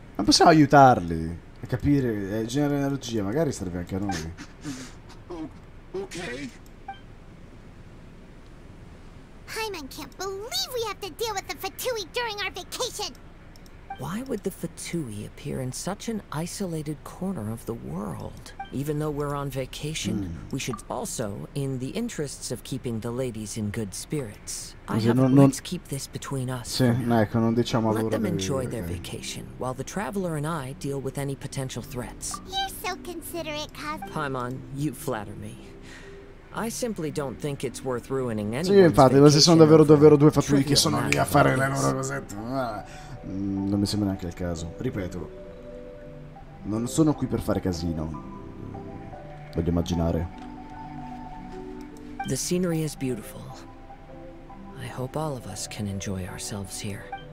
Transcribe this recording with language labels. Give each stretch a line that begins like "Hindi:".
Italian: Ma possiamo aiutarli a capire, a generare energia, magari serve anche a noi.
English: Okay. Hyman can't believe we have to deal with the Fatui during our vacation. Why would the Fatui appear in such an isolated corner of the world? Even though we're on vacation, we should also, in the interests of keeping the ladies in good spirits, I have to keep this between us.
Italian: Sì, ecco, non diciamo
English: let them enjoy their vacation, while the traveler and I deal with any potential threats. You're so considerate, Cosmo. Paimon, you flatter me. I simply don't think it's worth ruining anyone's vacation.
Italian: Sì, infatti, ma se sono davvero due fatui che sono lì a fare le loro cosette, non mi sembra neanche il caso. Ripeto, non sono qui per fare casino. Voglio immaginare.
English: The scenery is beautiful. I hope all of us can enjoy ourselves here.